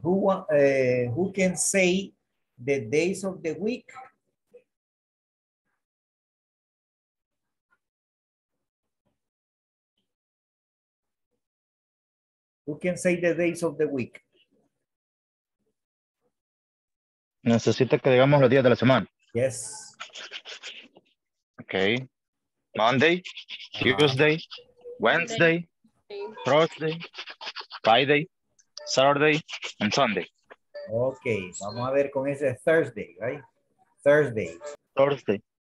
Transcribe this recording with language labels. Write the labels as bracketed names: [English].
[English] Who can say the days of the week? Who can say the days of the week? [Spanish] Necesita que digamos los días de la semana. [English] Yes. Okay. Monday, Tuesday, Wednesday, Thursday, Friday, Saturday, and Sunday. [Spanish] Okay. Vamos a ver con ese [English] Thursday, right? Thursday. Thursday.